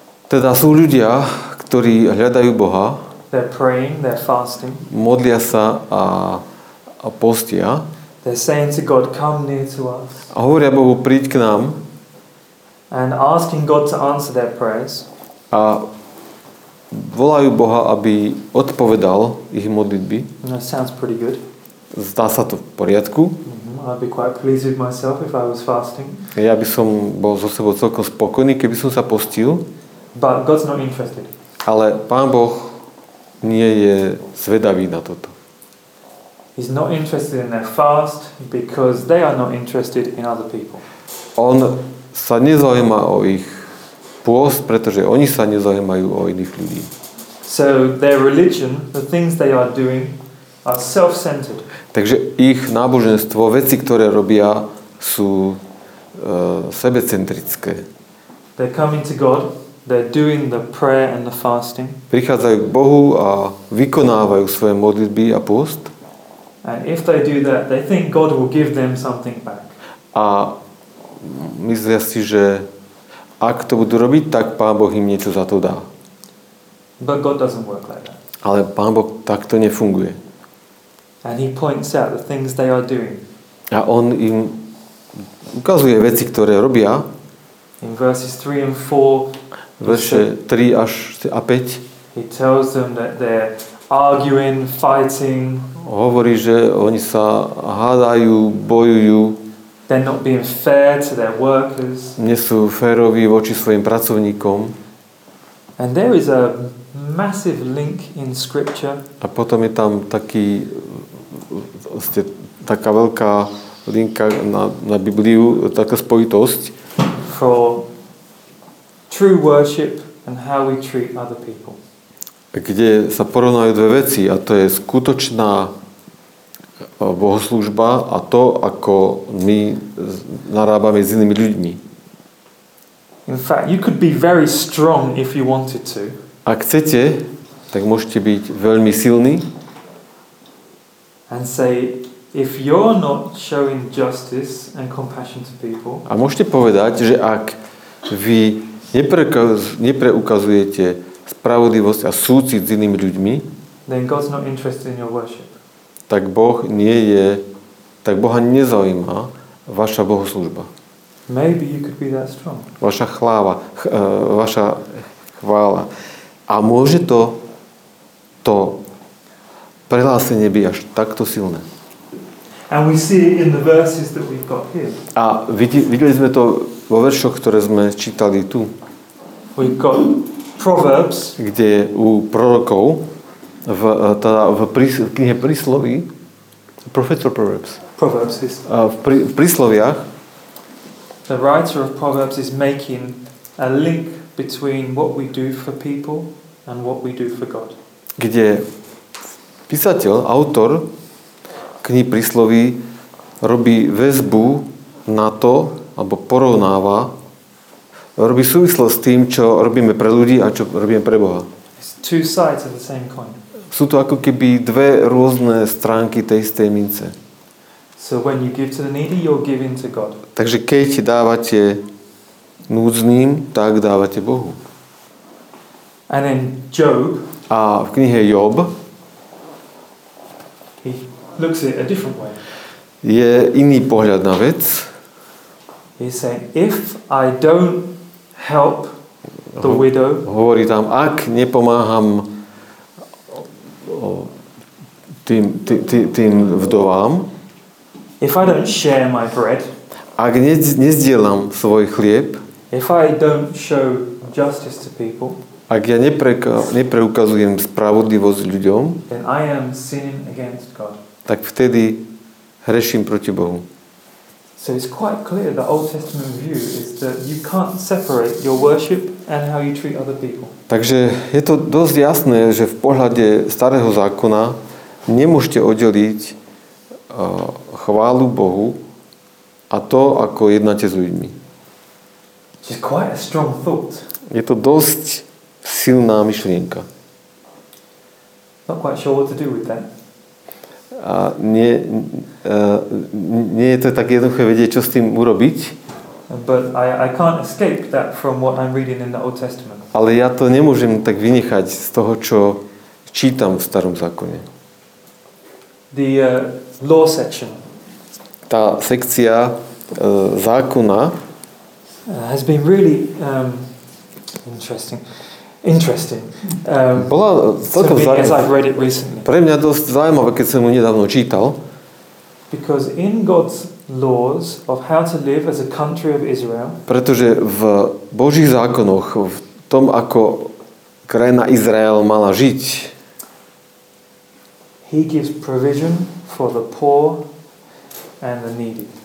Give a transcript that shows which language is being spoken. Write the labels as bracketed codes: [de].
[sk] Teda sú ľudia, ktorí hľadajú Boha. [en] They're praying, they're fasting. [sk] Modlia sa a postia. [en] They're saying to God, come near to us. [sk] A hovoria Bohu, príď k nám. [en] And asking God to answer their prayers. [sk] A volajú Boha, aby odpovedal ich modlitby. [en] That sounds pretty good. [sk] Zdá sa to v poriadku. [en] I'd be quite pleased with myself if I was fasting. [sk] Ja by som bol so sebou celkom spokojný, keby som sa postil. [en] But God's not interested. [sk] Ale Pán Boh nie je zvedavý na toto. [en] He's not interested in their fast because they are not interested in other people. [sk] On sa nezaujíma o ich pôst, pretože oni sa nezaujímajú o iných ľudí. [en] So their religion, the things they are doing are self-centered. [sk] Takže ich náboženstvo, veci, ktoré robia, sú sebecentrické. [en] They're coming to God, they're doing the prayer and the fasting. [sk] Prichádzajú k Bohu a vykonávajú svoje modlitby a pôst. [en] And if they do that, they think God will give them something back. [sk] A myslia si, že ak to budú robiť, tak Pán Boh im niečo za to dá. [en] But God doesn't work like that. [sk] Ale Pán Boh takto nefunguje. [en] And he points out the things they are doing. [sk] A on im ukazuje veci, ktoré robia. [en] In verses 3 and 4. [sk] Verše 3 až a 5. [en] He tells them that they're arguing, fighting. [sk] Hovorí, že oni sa hádajú, bojujú. [en] They're not being fair to their workers. [sk] Nie sú féroví voči svojim pracovníkom. [en] And there is a massive link in scripture. [sk] A potom je tam taký vlastne taká veľká linka na Bibliu, taká spojitosť. [en] For true worship and how we treat other people. [sk] Kde sa porovnajú dve veci, a to je skutočná bohoslúžba a to, ako my narábame s inými ľuďmi. [en] In fact, you could be very strong if you wanted to. [sk] Ak chcete, tak môžete byť veľmi silní. [en] And say, if you're not showing justice and compassion to people. [sk] A môžete povedať, že ak vy nepreukazujete spravodlivosť a súcit s inými ľuďmi, [en] then God's not interested in your worship. [sk] Tak Boh nie je, tak Boha nezaujíma vaša bohoslužba. [en] Maybe you could be that strong. [sk] Vaša chvála, vaša chvála. A môže to prehlásenie byť až takto silné? [en] And we see it in the verses that we've got here. [sk] A videli sme to vo veršoch, ktoré sme čítali tu. [en] We've got Proverbs, [sk] kde u prorokov v teda v knihe prísloví v prísloviach [en] the writer of Proverbs is making a link between what we do for people and what we do for God. [sk] Kde písateľ, autor knihy prísloví robí väzbu na to alebo porovnáva robí súvislosť s tým, čo robíme pre ľudí a čo robíme pre Boha. [en] Two sides of the same coin. [sk] Sú to ako keby dve rôzne stránky tej istej mince. [en] So when you give to the needy, you're giving to God. [sk] Takže keď dávate núdzným, tak dávate Bohu. [en] And in Job, [sk] a v knihe Job [en] he looks at a different way. [sk] Je iný pohľad na vec. [en] He's saying, if I don't help the widow. [sk] Hovorí tam, ak nepomáham tým vdovám. [en] If I don't share my bread. [sk] Ak nezdielam svoj chlieb. [en] If I don't show justice to people. [sk] Ak ja nepreukazujem spravodlivosť ľuďom. [en] Then I am sinning against God. [sk] Tak vtedy hreším proti Bohu. [en] So it's quite clear the Old Testament view is that you can't separate your worship and how you treat other people. [sk] Takže je to dosť jasné, že v pohľade starého zákona nemôžete oddeliť chválu Bohu a to, ako jednáte s ľuďmi. [en] It's quite a strong thought. [sk] Je to dosť silná myšlienka. [en] Not quite sure what to do with that. [sk] A nie je to tak jednoduché vedieť, čo s tým urobiť. [en] But I can't escape that from what I'm reading in the Old Testament. [sk] Ale ja to nemôžem tak vynechať z toho, čo čítam v starom zákone. [en] The law section. [sk] Tá sekcia zákona [en] has been really interesting. Interesting. [sk] Bola celkom zaujímavé. Pre mňa dosť zaujímavé, keď som ho nedávno čítal. [en] Because in God's laws of how to live as a country of Israel. [sk] Pretože v Božích zákonoch, v tom, ako krajina Izrael mala žiť. [en] He gives provision for the poor and the needy.